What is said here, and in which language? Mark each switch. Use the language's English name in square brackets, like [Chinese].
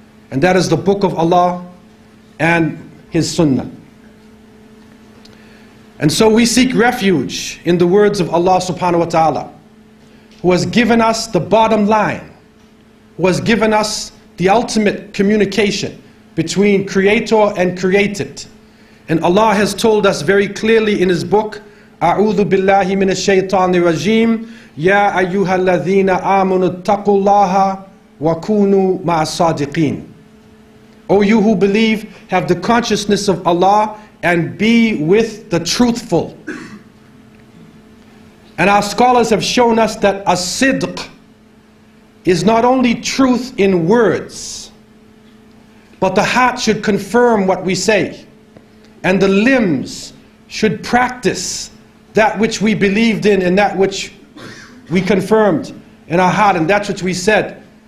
[English] And that is the Book of Allah and His Sunnah. And so we seek refuge in the words of Allah subhanahu wa ta'ala, who has given us the bottom line, who has given us the ultimate communication between Creator and created. And Allah has told us very clearly in His book, [Arabic] أعوذ بالله من الشيطان الرجيم يا أيها الذين آمنوا اتقوا الله وكونوا مع الصادقين. [English] O you who believe, have the consciousness of Allah and be with the truthful. And our scholars have shown us that as-sidq is not only truth in words, but the heart should confirm what we say, and the limbs should practice that which we believed in and that which we confirmed in our heart, and that's what we said.